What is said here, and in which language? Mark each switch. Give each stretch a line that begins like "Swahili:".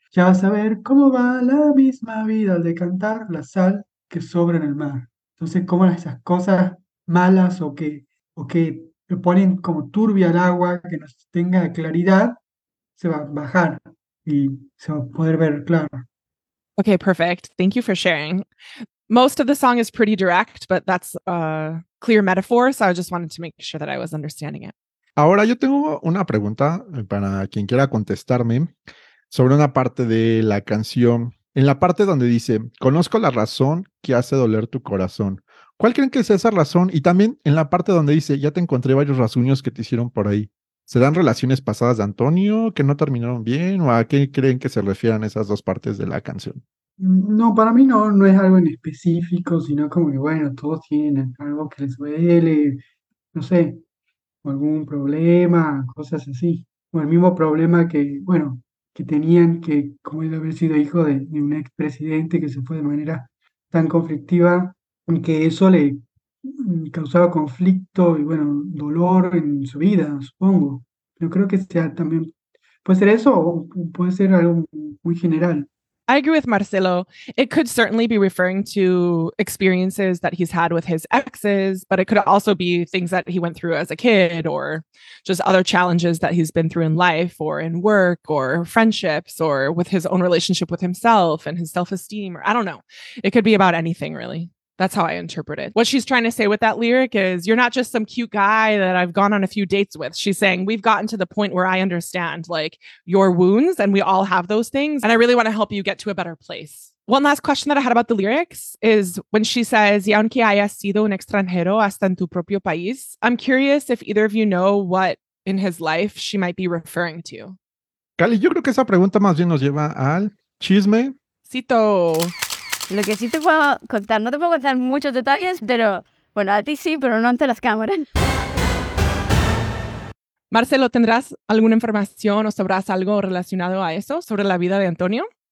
Spanish: Ya vas a ver cómo va la misma vida al decantar la sal que sobra en el mar. Entonces, cómo esas cosas malas o que le ponen como turbia al agua, que no tenga claridad, se va a bajar y se va a poder ver claro.
English: Okay, perfect. Thank you for sharing. Most of the song is pretty direct, but that's a clear metaphor, so I just wanted to make sure that I was understanding it.
Spanish: Ahora yo tengo una pregunta para quien quiera contestarme sobre una parte de la canción. En la parte donde dice, conozco la razón que hace doler tu corazón. ¿Cuál creen que es esa razón? Y también en la parte donde dice, ya te encontré varios rasguños que te hicieron por ahí. ¿Serán relaciones pasadas de Antonio que no terminaron bien? ¿O a qué creen que se refieran esas dos partes de la canción? No, para mí no es algo en específico, sino como que, bueno, todos tienen algo que les duele, no sé, o algún problema, cosas así. O el mismo problema que, bueno, que tenían, que como el haber sido hijo de un expresidente que se fue de manera tan conflictiva, que eso le causaba conflicto y, bueno, dolor en su vida, supongo. Yo creo que sea también, puede ser eso o puede ser algo muy general.
English: I agree with Marcelo. It could certainly be referring to experiences that he's had with his exes, but it could also be things that he went through as a kid or just other challenges that he's been through in life or in work or friendships or with his own relationship with himself and his self-esteem. Or I don't know. It could be about anything, really. That's how I interpret it. What she's trying to say with that lyric is, you're not just some cute guy that I've gone on a few dates with. She's saying, we've gotten to the point where I understand, like, your wounds, and we all have those things, and I really want to help you get to a better place. One last question that I had about the lyrics is when she says,
Spanish: y aunque hayas sido un extranjero hasta en tu propio país,
English: I'm curious if either of you know what in his life she might be referring to.
Spanish: Cali, yo creo que esa pregunta más bien nos lleva al chisme. Cito. Lo que sí te puedo contar, no te puedo contar muchos detalles, pero bueno, a ti sí, pero no ante las cámaras. Marcelo, ¿tendrás alguna información o sabrás algo relacionado a eso sobre la vida de Antonio?